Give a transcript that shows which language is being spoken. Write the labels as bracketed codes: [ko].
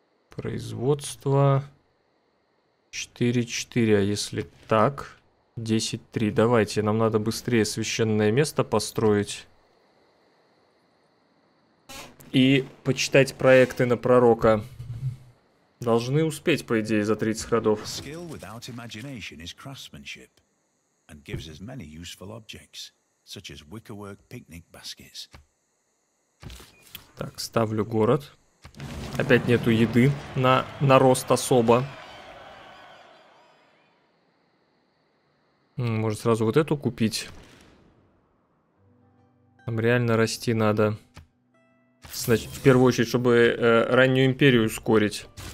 [ru] Производство. 4-4, а если так? 10-3. Давайте, нам надо быстрее священное место построить. И почитать проекты на пророка. Должны успеть, по идее, за 30 ходов. [en] Skill without imagination is craftsmanship and gives us many useful objects, such as wickerwork picnic baskets. [ru] Так, ставлю город. Опять нету еды на рост особо. Может сразу вот эту купить? Нам реально расти надо. значит, в первую очередь, чтобы раннюю империю ускорить.